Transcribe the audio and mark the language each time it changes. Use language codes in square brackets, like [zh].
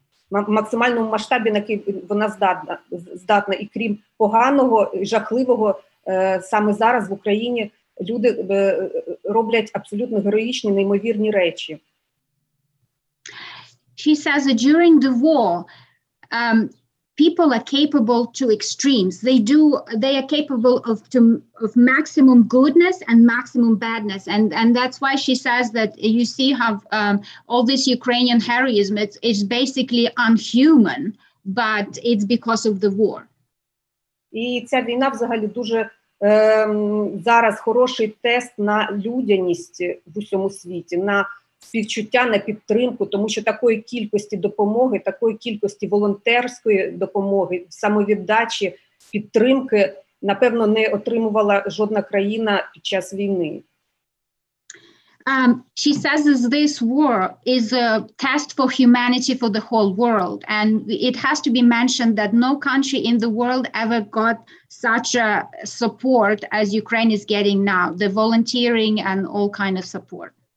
[uk] максимальному масштабі, на який вона здатна. І крім поганого, жахливого, саме зараз в Україні люди роблять абсолютно героїчні, неймовірні речі. [en] She says that during the war, people are capable to extremes. They are capable of maximum goodness and maximum badness. And that's why she says that you see how all this Ukrainian heroism, it's basically unhuman, but it's because of the war. [uk] І ця війна взагалі дуже зараз хороший тест на людяність в усьому світі, на співчуття, на підтримку, тому що такої кількості допомоги, такої кількості волонтерської допомоги, самовіддачі, підтримки, напевно, не отримувала жодна країна під час війни. [en] She says that this war is a test for humanity for the whole world, and it has to be mentioned that no country in the world ever got such a support as Ukraine is getting now, the volunteering and all kind of support.